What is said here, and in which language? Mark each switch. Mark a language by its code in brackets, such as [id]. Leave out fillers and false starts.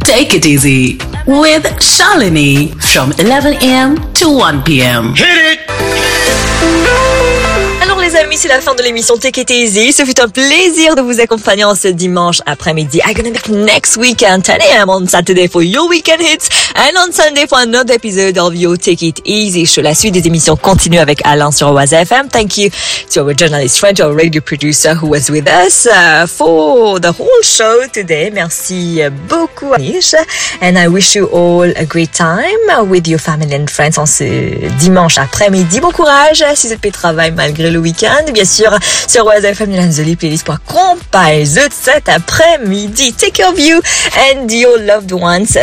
[en] Take it easy with Shalini from 11 a.m. to 1 p.m. Hit it. [fr] Alors les amis, c'est la fin de l'émission Take It Easy. Ce fut un plaisir de vous accompagner en ce dimanche après-midi. [en] I'm gonna be back next weekend, 10 a.m. on Saturday for your weekend hits, and on Sunday for another episode of your Take It Easy show. [fr] La suite des émissions continue avec Alain sur Oise FM. [en] Thank you to our journalist friend, our radio producer who was with us for the whole show today. [fr] Merci beaucoup, Anish. [en] And I wish you all a great time with your family and friends [fr] en ce dimanche après-midi. Bon courage si vous êtes au travail malgré le week-end. Bien sûr, sur Oise FM, il y a une jolie playlist pour accompagner vous cet après-midi. [en] Take care of you and your loved ones.